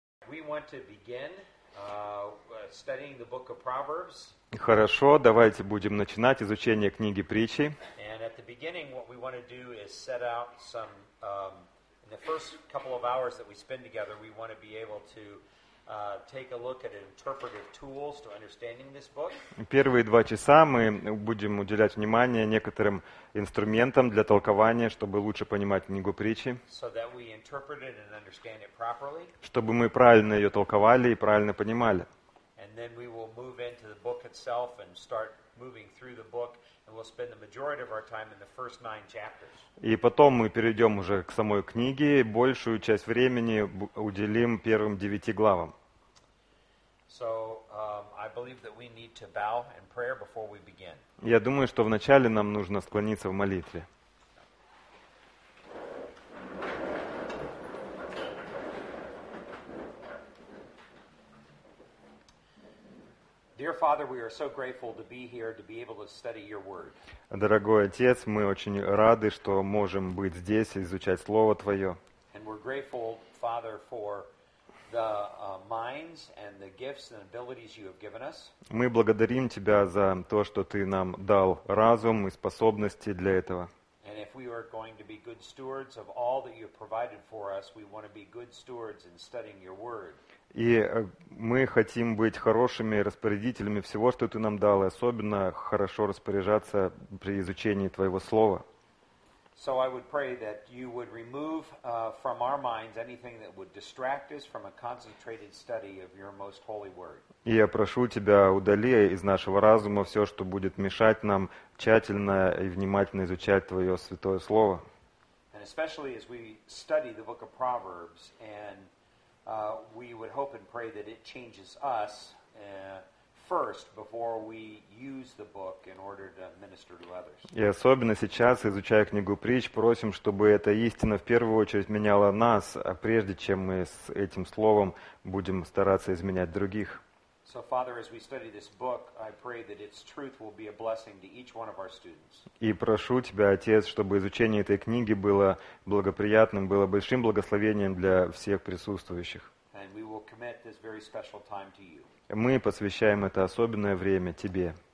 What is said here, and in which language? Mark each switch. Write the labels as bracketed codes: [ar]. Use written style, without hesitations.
[en] We want to begin studying the book of Proverbs. [ru] Хорошо, давайте будем начинать изучение книги Притчи. [en] And at the beginning, what we want to do is set out some, in the first couple of hours that we spend together, we want to be able to take a look at interpretive tools to understanding this book. [ru] Первые два часа мы будем уделять внимание некоторым инструментам для толкования, чтобы лучше понимать книгу Притчи. [en] So that we interpret it and understand it properly. [ru] Чтобы мы правильно ее толковали и правильно понимали. [en] And then we will move into the book itself and start moving through the book. And we'll spend the majority of our time in the first nine chapters. [ru] И потом мы перейдем уже к самой книге. Большую часть времени уделим первым девяти главам. [en] So, I believe that we need to bow in prayer before we begin. [ru] Я думаю, что вначале нам нужно склониться в молитве. [en] Dear Father, we are so grateful to be here to be able to study your word. [ru] Дорогой отец, мы очень рады, что можем быть здесь и изучать слово твоё. [en] And we're grateful, Father, for the minds and the gifts and abilities you have given us. [ru] Мы благодарим тебя за то, что ты нам дал разум и способности для этого. [en] And if we are going to be good stewards of all that you have provided for us, we want to be good stewards in studying your word. [ru] И мы хотим быть хорошими распорядителями всего, что ты нам дал, и особенно хорошо распоряжаться при изучении твоего слова. [en] So I would pray that you would remove from our minds anything that would distract us from a concentrated study of your most holy word. [ru] И я прошу тебя, удали из нашего разума все, что будет мешать нам тщательно и внимательно изучать твое святое слово. [en] And especially as we study the book of Proverbs and we would hope and pray that it changes us first before we use the book in order to minister to others. [ru] И особенно сейчас, изучая книгу Притч, просим, чтобы эта истина в первую очередь меняла нас, прежде чем мы с этим словом будем стараться изменять других. [en] So, Father, as we study this book, I pray that its truth will be a blessing to each one of our students. [ru] И прошу тебя, Отец, чтобы изучение этой книги было благоприятным, было большим благословением для всех присутствующих. [en] And we will commit this very special time to you. [ru] Мы посвящаем это особенное время тебе.